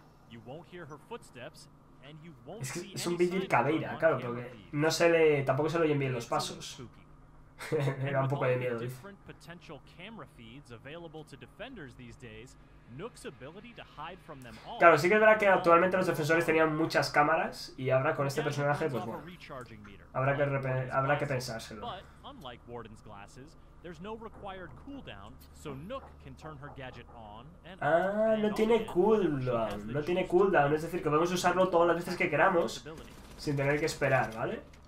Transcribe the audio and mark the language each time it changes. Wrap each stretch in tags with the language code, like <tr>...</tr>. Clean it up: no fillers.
<en>You won't hear her footsteps, and you won't see any.</en> <es>Es un Vigil cadeira, claro, porque no se le, tampoco se le oyen bien los pasos. Era un poco de miedo.</es> <en>Different potential camera feeds available to defenders these days. Nook's ability to hide from them all.</en> <es>Claro, sí que es verdad que actualmente los defensores tenían muchas cámaras y ahora con este personaje, pues bueno, habrá que pensárselo.</es> <en>But unlike Warden's glasses, there's no required cooldown, so Nook can turn her gadget on and off.</en> <es>Ah, no tiene cooldown, es decir, que podemos usarlo todas las veces que queramos sin tener que esperar, ¿vale?</es>